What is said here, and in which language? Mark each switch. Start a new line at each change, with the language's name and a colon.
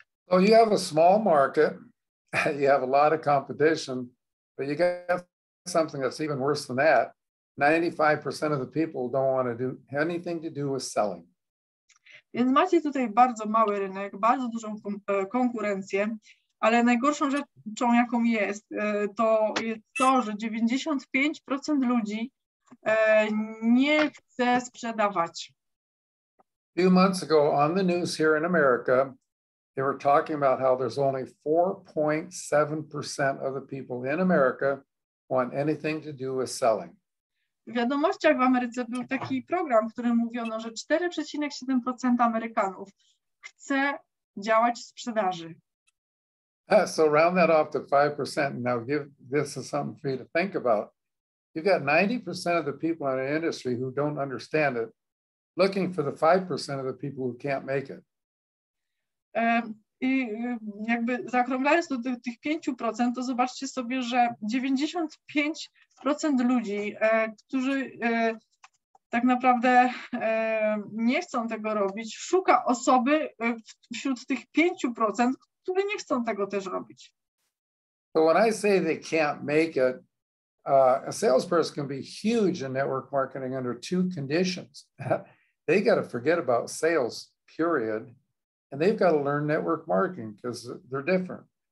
English: So you have a small market. You have a lot of competition, but you got something that's even worse than that. 95% of the people don't want to do anything to do with selling.
Polish: Więc macie tutaj bardzo mały rynek, bardzo dużą konkurencję, ale najgorszą rzeczą, jaką jest, to jest to, że 95% ludzi nie chce sprzedawać.
English: A few months ago on the news here in America, they were talking about how there's only 4.7% of the people in America want anything to do with selling.
Polish: W wiadomościach w Ameryce był taki program, w którym mówiono, że 4,7% Amerykanów chce działać w sprzedaży.
English: So round that off to 5%. Now give this is something for you to think about. You've got 90% of the people in an industry who don't understand it, looking for the 5% of the people who can't make it.
Polish: I jakby zaokrąglając do tych 5%, to zobaczcie sobie, że 95% ludzi, którzy tak naprawdę nie chcą tego robić, szuka osoby wśród tych 5%, które nie chcą tego też robić.
English: So when I say they can't make it, a salesperson can be huge in network marketing under two conditions. They got to forget about sales, period. And they've got to learn network marketing because they're different.